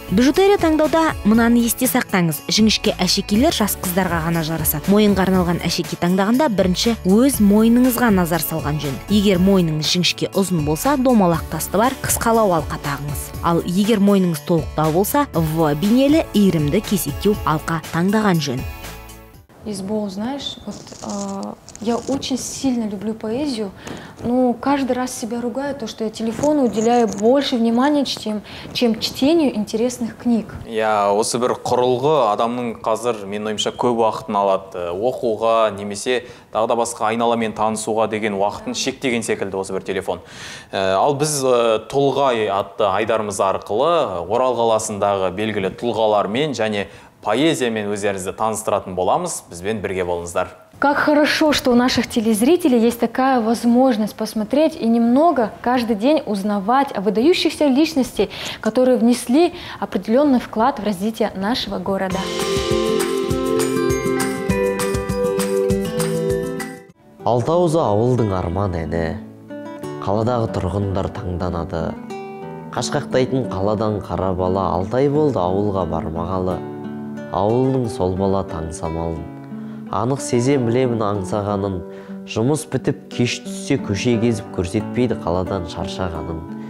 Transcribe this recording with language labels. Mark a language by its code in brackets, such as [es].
[kk] Бижутерия таңдауда мынаны есте сақтаңыз. Жіңішке әшекейлер жас қыздарға ғана жарасады. Мойынға арналған әшекей таңдағанда бірінші өз мойныңызға назар салған жөн. Егер мойныңыз жіңішке ұзын болса, домалақ тасты бар қысқалау алқа тағыңыз. Ал егер мойныңыз толықтау болса, V бейнелі иірімді кесектеу алқа таңдаған жөн. [ru] Избол, знаешь, вот я очень сильно люблю поэзию, но каждый раз себя ругаю, то, что я телефону уделяю больше внимания, чем чтению интересных книг. [kk] Я осы бір құрылғы адамның қазір, мен ойымша, көп уақытын алады. Оқуға, немесе, тағы да басқа айналамен танысуға деген уақытын шектеген секілді осы бір телефон. Ал біз Тұлғай атты айдарымыз арқылы Орал қаласындағы белгілі тұлғалармен және поэзиямен өздеріңізді таныстыратын боламыз. Бізбен бірге болыңыздар. [ru] Как хорошо, что у наших телезрителей есть такая возможность посмотреть и немного каждый день узнавать о выдающихся личностях, которые внесли определенный вклад в развитие нашего города. [kk] Алтауза ауылдың арман әні, қаладағы тұрғындар таңданады. Қашқақтайтын қаладан қара бала Алтай болды ауылға бармағалы. Ауылының сол бала таңсамалын, анық сезем білемін аңсағанын, жұмыс бітіп кеш түссе көше кезіп көрсетпейді қаладан шаршағанын.